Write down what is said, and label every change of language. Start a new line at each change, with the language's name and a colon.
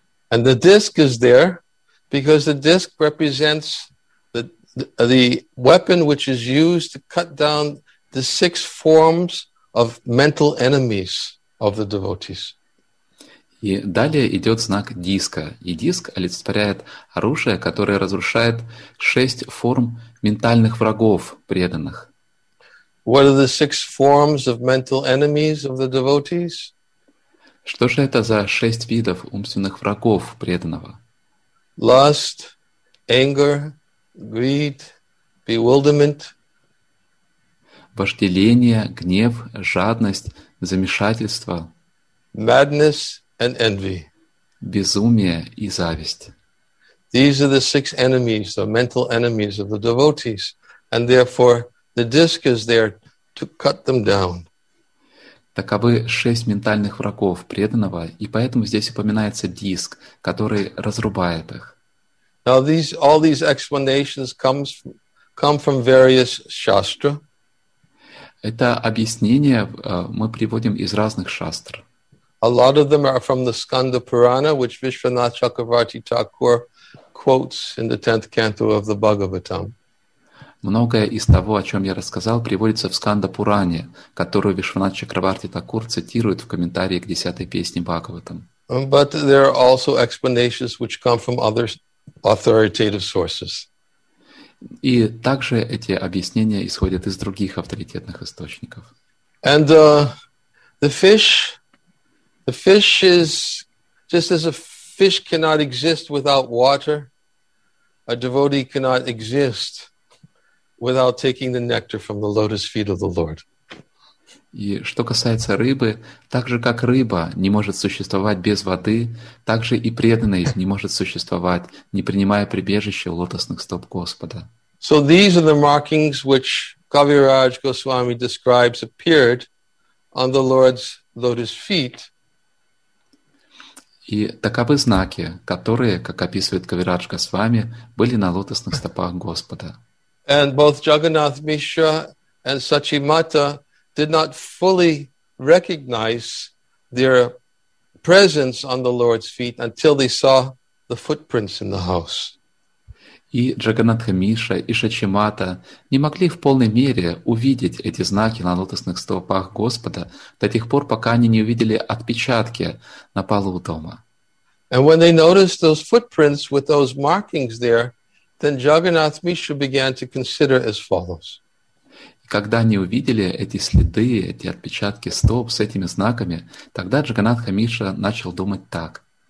English: And the disc is there because the disc represents the weapon which is used to cut down the six forms of mental enemies of the devotees.
Russian: И далее идет знак диска. И диск олицетворяет оружие, которое разрушает шесть форм ментальных врагов преданных.
English: What are the six forms of mental enemies of the devotees?
Russian: Что же это за шесть видов умственных врагов преданного?
English: Lust, anger, greed, bewilderment.
Russian: Вожделение, гнев, жадность, замешательство.
English: Madness and envy.
Russian: Безумие и зависть.
English: These are the six enemies, the mental enemies of the devotees, and therefore the disc is there to cut them down.
Russian: Таковы шесть ментальных врагов преданного, и поэтому здесь упоминается диск, который разрубает их.
English: Now all these explanations come from various shastra.
Russian: Это объяснение мы приводим из разных шастр.
English: A lot of them are from the Skanda Purana, which Vishwanath Chakravarti Thakur quotes in the 10th canto of the Bhagavatam.
Russian: Многое из того, о чем я рассказал, приводится в Сканда Пуране, которую Вишванат Чакраварти Такур цитирует в комментарии к 10-й песне Бхагаватам.
English: But there are also explanations which come from other authoritative sources.
Russian: И также эти объяснения исходят из других авторитетных источников.
English: And the fish is just as a fish cannot exist without water, a devotee cannot exist without taking the nectar from the lotus feet of the Lord.
Russian: И что касается рыбы, так же как рыба не может существовать без воды, так же и преданный не может существовать, не принимая прибежище у лотосных стоп Господа.
English: So these are the markings which Kaviraj Goswami describes appeared on the Lord's lotus feet.
Russian: И таковы знаки, которые, как описывает Кавирадж Госвами, были на лотосных стопах Господа.
English: And both Jagannath Mishra and Sachimata did not fully recognize their presence on the Lord's feet until they saw the footprints in the house.
Russian: И Джаганнатх Мишра и Сачимата не могли в полной мере увидеть эти знаки на лотосных стопах Господа до тех пор, пока они не увидели отпечатки на полу дома.
English: And when they noticed those footprints with those markings there, then Jagannath Mishra began to consider as follows.
Russian: Когда они увидели эти следы, эти отпечатки стоп с этими знаками, тогда Джаганнатх Мишра начал думать так.